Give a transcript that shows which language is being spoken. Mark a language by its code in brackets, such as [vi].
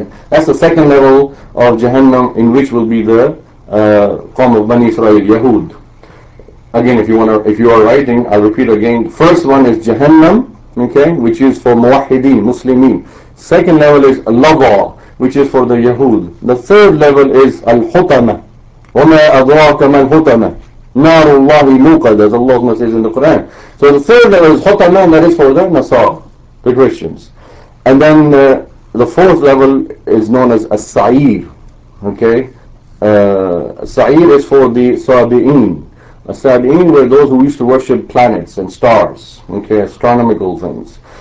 [en] That's the second level of Jahannam, in which will be the Qawm of Bani Israel, Yahud. Again, if you are writing, I'll repeat again. First one is Jahannam. Okay, which is for Muwahideen, Muslimin. Second level is Lava, which is for the Yahud. The third level is Al-Hutama. [ar] وَمَا أَضْرَاكَ مَا الْحُتَمَ نَارُ اللَّهِ مُوْقَدَ, [en] as Allah says in the Quran. So the third level is Hutama, and that is for the Nasar, the Christians. And then the fourth level is known as As-Sa'ir. Okay, As-Sa'ir is for the Sabi'een. As-Sabi'een were those who used to worship planets and stars, okay, astronomical things.